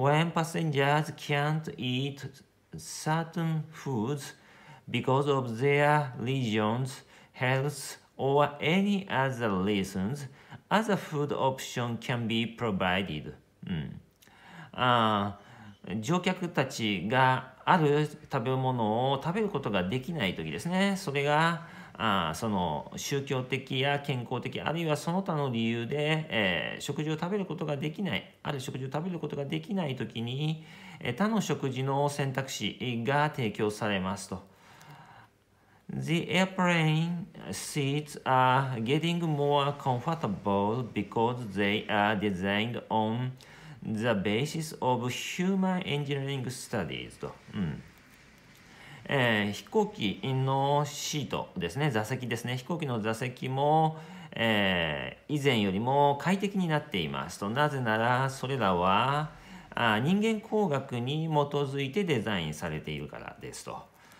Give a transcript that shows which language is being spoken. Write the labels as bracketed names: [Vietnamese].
[English] When passengers can't eat certain foods because of their region's health or any other reasons,Other food option can be provided.、 [Japanese] うん、乗客たちがある食べ物を食べることができないときですね。それが、その宗教的や健康的、あるいはその他の理由で、食事を食べることができない、ある食事を食べることができないときに、他の食事の選択肢が提供されますと。 [English] The airplane seats are getting more comfortable because they are designed on the basis of human engineering studies. [Japanese] と、うん、飛行機のシートですね、座席ですね、飛行機の座席も、以前よりも快適になっていますと。なぜならそれらは人間工学に基づいてデザインされているからですと。